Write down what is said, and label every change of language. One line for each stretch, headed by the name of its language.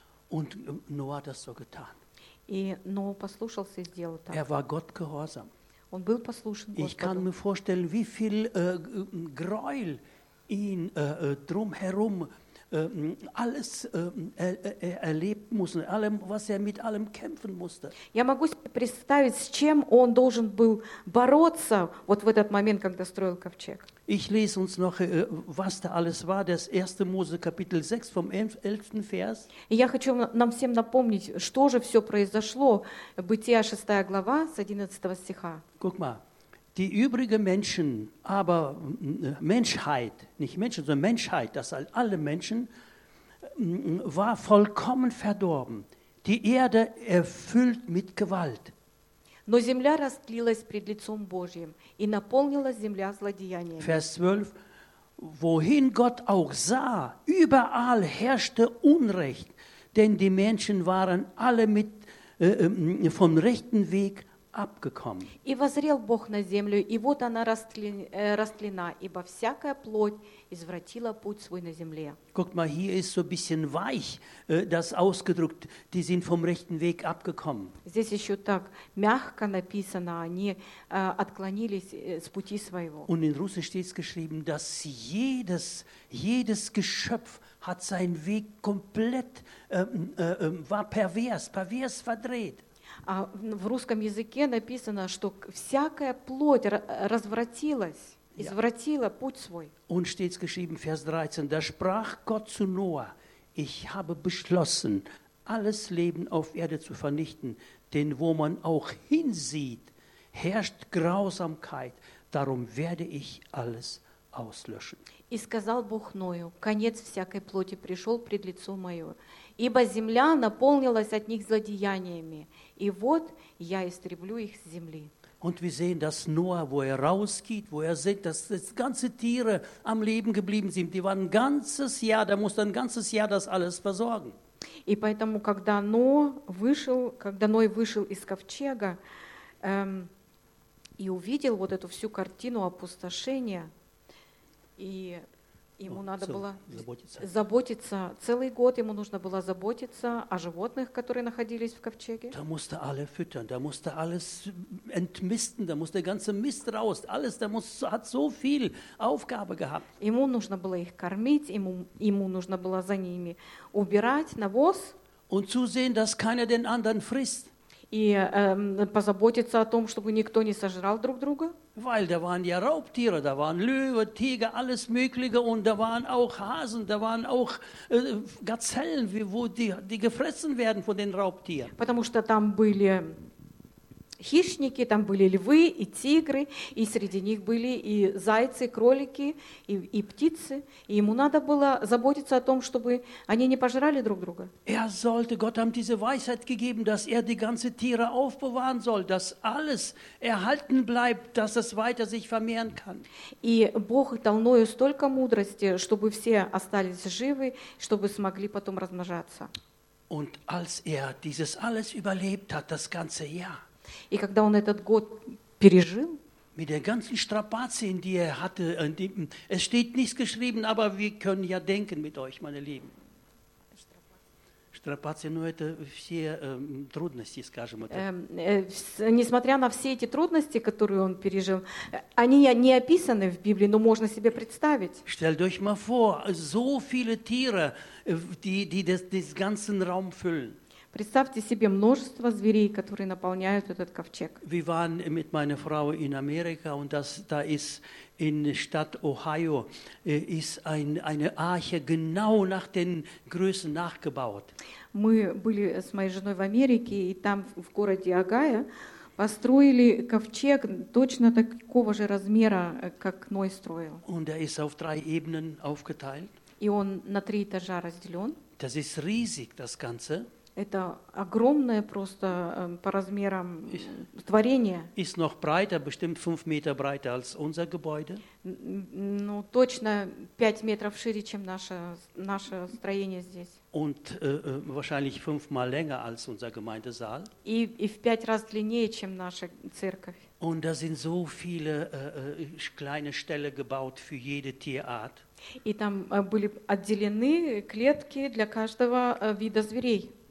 German: Und Noah hat das so getan.
Russian: И Ноа послушался и сделал так.
German: Er war Gott gehorsam.
Russian: Он был послушен Господу.
German: Ich kann mir vorstellen, wie viel Gräuel ihn drumherum alles erlebt musste, allem, was er mit allem kämpfen musste.
Russian: Я могу себе представить, с чем он должен был бороться вот в этот момент, когда строил ковчег.
German: Ich lese uns noch, was da alles war, das 1. Mose, Kapitel 6, vom 11. Vers.
Russian: Я хочу нам всем напомнить, что же все произошло, Бытия 6. глава, с 11. стиха.
German: Guck mal, die übrigen Menschen, aber Menschheit, nicht Menschen, sondern Menschheit, das alle Menschen, war vollkommen verdorben. Die Erde erfüllt mit Gewalt.
Russian: Но земля растлилась пред лицом Божьим и наполнила земля злодеяниями.
German: Vers 12. Wohin Gott auch sah, überall herrschte Unrecht, denn die Menschen waren alle mit vom rechten Weg abgekommen.
Russian: И воззрел Бог на землю, и вот она растлена, ибо всякая плоть извратила путь свой на земле.
German: Guck mal, hier ist so ein bisschen weich das ausgedrückt, die sind vom rechten Weg abgekommen.
Russian: Здесь еще так мягко написано, они отклонились с пути своего.
German: Und in Russisch steht geschrieben, dass jedes Geschöpf hat seinen Weg komplett war pervers verdreht.
Russian: А в русском языке написано, что всякая плоть развратилась. Извратила путь свой.
German: Und steht geschrieben, Vers 13, da sprach Gott zu Noah: Ich habe beschlossen, alles Leben auf Erde zu vernichten, denn wo man auch hinsieht, herrscht Grausamkeit, darum werde ich alles auslöschen.
Russian: И сказал Бог Ною: конец всякой плоти пришел пред лицо мое, ибо земля наполнилась от них злодеяниями, и вот я истреблю их с земли.
German: Und wir sehen, dass Noah, wo er rausgeht, wo er sieht, dass das ganze Tiere am Leben geblieben sind. Die waren ein ganzes Jahr, da musste ein ganzes Jahr das alles versorgen.
Russian: И поэтому, когда Ноа вышел, когда Ной вышел из ковчега и увидел вот эту всю картину опустошения, и ему надо было заботиться. Целый год ему нужно было заботиться о животных, которые находились в ковчеге.
German: Da musste alle füttern, da musste alles entmisten, da musste der ganze Mist raus. Alles, da muss, hat so viel Aufgabe gehabt.
Russian: Ему нужно было их кормить, ему нужно было за ними убирать навоз.
German: Und zusehen, dass keiner den anderen frisst.
Russian: И позаботиться о том, чтобы никто не сожрал друг друга.
German: Weil da waren ja Raubtiere, da waren Löwe, Tiger, alles Mögliche, und da waren auch Hasen, da waren auch Gazellen, wo die gefressen werden von den Raubtieren.
Russian: Потому что там были хищники, там были львы и тигры, и среди них были и зайцы, кролики, и птицы. И ему надо было заботиться о том, чтобы они не пожрали друг друга.
German: Er sollte, Gott hat diese Weisheit gegeben, dass er die ganze Tiere aufbewahren soll, dass alles erhalten bleibt, dass es weiter sich vermehren kann.
Russian: И Бог дал Ною столько мудрости, чтобы все остались живы, чтобы смогли потом размножаться.
German: Und als er dieses alles überlebt hat, das ganze Jahr,
Russian: и когда он этот год пережил,
German: mit den ganzen Strapazien, die er hatte, es steht nichts geschrieben, aber wir können ja denken mit euch, meine Lieben.
Russian: Strapazien, ну это все трудности, скажем это. Несмотря на все эти трудности, которые он пережил, они не описаны в Библии, но можно себе представить.
German: Stellt euch mal vor, so viele Tiere, die das ganzen Raum füllen.
Russian: Представьте себе множество зверей, которые наполняют этот ковчег.
German: Wir waren mit meiner Frau in Amerika, und da ist in Stadt Ohio ist eine Arche genau nach den Größen nachgebaut.
Russian: Мы были с моей женой в Америке, и там в городе Огайо построили ковчег точно такого же размера, как Ной строил.
German: Und er ist auf drei Ebenen aufgeteilt.
Russian: И он на три этажа разделен.
German: Das ist riesig, das Ganze.
Russian: Это огромное просто по размерам творение.
German: Ist noch breiter, bestimmt 5 Meter breiter als unser Gebäude.
Russian: Ну, точно 5 метров шире, чем наше строение здесь.
German: Und wahrscheinlich 5-mal länger als unser Gemeindesaal.
Russian: И в 5 раз длиннее, чем наша церковь.
German: Und da sind so viele kleine Ställe gebaut für jede Tierart.
Russian: И там были отделены клетки для каждого вида зверей.